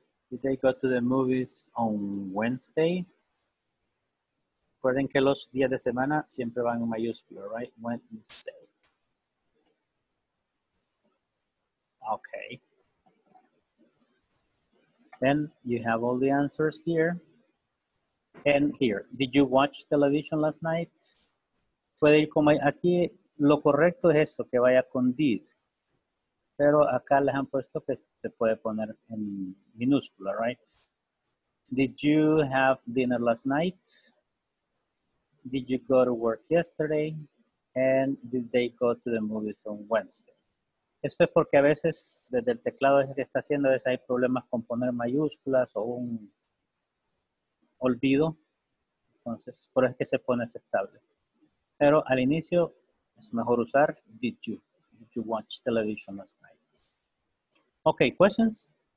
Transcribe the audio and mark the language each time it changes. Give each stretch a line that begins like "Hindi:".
English: Did they go to the movies on Wednesday?
Spanish: Recuerden que los días de semana siempre van en mayúscula, right?
English: Wednesday. Okay. Then you have all the answers here. And here, did you watch television last night?
Spanish: Puede ir como aquí, lo correcto es esto, que vaya con did. pero acá les han puesto que se puede poner en minúscula, right?
English: Did you have dinner last night? Did you go to work yesterday? And did they go to the movies on Wednesday?
Spanish: Esto es porque a veces desde el teclado que está haciendo es hay problemas con poner mayúsculas o un olvido. Entonces, por eso es que se pone aceptable. Pero al inicio es mejor usar
English: did you. Did you watch television last night? Okay, questions?